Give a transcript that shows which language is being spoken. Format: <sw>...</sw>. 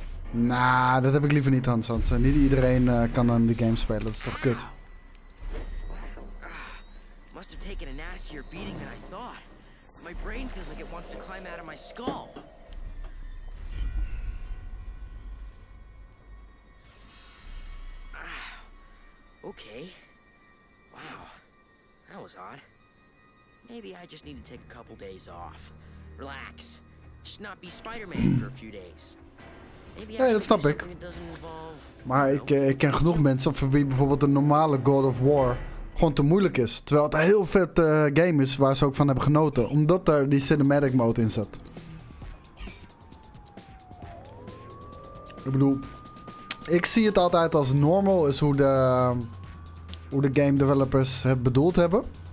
<nl>Nah, dat heb ik liever niet, Hans. Niet iedereen kan aan die game spelen. Dat is toch kut.</nl> <en>Must have taken a nastier beating than I thought. My brain feels like it wants to climb out of my skull. Ah, okay. Wow, that was odd. Maybe I just need to take a couple days off. Relax. Just not be Spider-Man for a few days.</en> <nl>Ja, dat snap ik. Maar ik ken genoeg mensen voor wie bijvoorbeeld een normale God of War gewoon te moeilijk is. Terwijl het een heel vet game is waar ze ook van hebben genoten. Omdat daar die cinematic mode in zat. Ik bedoel, ik zie het altijd als normal is hoe de game developers het bedoeld hebben.</nl>